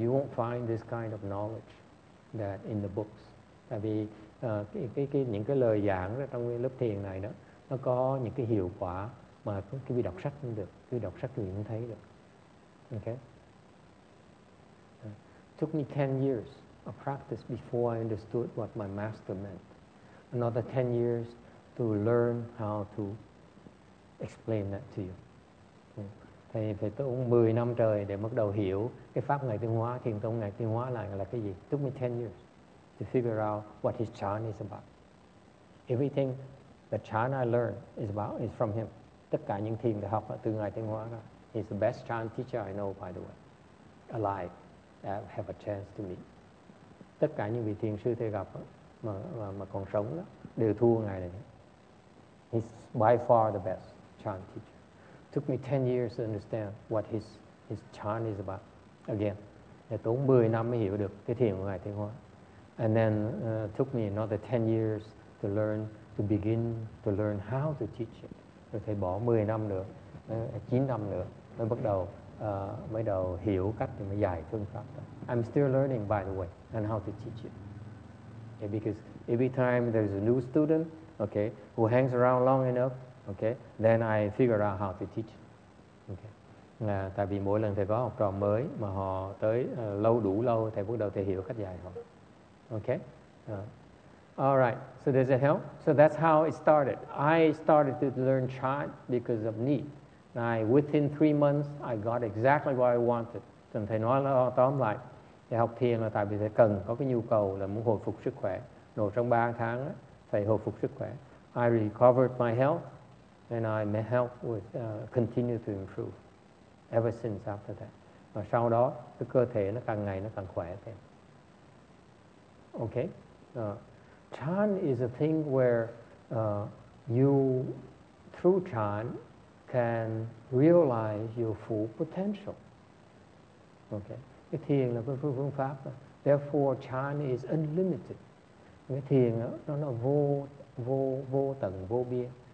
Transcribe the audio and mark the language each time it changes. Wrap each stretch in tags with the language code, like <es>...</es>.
<en>You won't find this kind of knowledge that in the books.</en> <vi>Tại vì những cái lời giảng trong cái lớp thiền này đó, nó có những cái hiệu quả mà cái vị đọc sách cũng được, cái đọc sách cũng thấy được, okay?</vi> <en>Took me 10 years of practice before I understood what my master meant. Another 10 years to learn how to explain that to you.</en> <vi>Thầy phải tốn 10 năm trời để bắt đầu hiểu cái pháp Ngài Tuyên Hóa, thiền tông Ngài Tuyên Hóa là cái gì.</vi> <en>Took me 10 years to figure out what his chant is about. Everything, the chant I learned is about, is from him.</en> <vi>Tất cả những thiền được học là từ Ngài Tuyên Hóa.</vi> <en>He's the best chant teacher I know, by the way, alive. That have a chance to meet.</en> <vi>Tất cả những vị thiền sư thầy gặp mà còn sống đó đều thua ngài này.</vi> <en>He's by far the best chant teacher. Took me 10 years to understand what his chant is about.</en> <vi>Again, tốn 10 năm mới hiểu được cái thiền của ngài Tuyên Hóa.</vi> <en>And then took me another 10 years to learn to begin to learn how to teach it.</en> <vi>Rồi thầy bỏ 10 năm nữa, 9 năm nữa mới bắt đầu. Mới đầu hiểu cách thì mới dạy phương pháp đó.</vi> <en>I'm still learning, by the way, and how to teach it. Okay, because every time there's a new student, okay, who hangs around long enough, okay, then I figure out how to teach it. Okay.</en> <vi>Tại vì mỗi lần thầy có học trò mới mà họ tới lâu đủ lâu, thầy bắt đầu thầy hiểu cách dạy họ. Okay.</vi> <en>All right. So does that help? So that's how it started. I started to learn chant because of need. Now, within 3 months, I got exactly what I wanted.</en> <vi>Thì thầy nói là tóm lại, thì học thiền là tại vì thầy cần có cái nhu cầu là muốn hồi phục sức khỏe. Rồi trong 3 tháng đó, thầy hồi phục sức khỏe.</vi> <en>I recovered my health, and my health was continued to improve ever since after that.</en> <vi>Và sau đó, cái cơ thể nó càng ngày nó càng khỏe thêm. Okay?</vi> <en>Chan is a thing where you, through chan, can realize your full potential. Okay?</en> <vi>Cái thiền là phương pháp.</vi> <en>Therefore, chan is unlimited.</en> <vi>Cái thiền đó, nó vô, vô, vô tận, vô biên.</vi>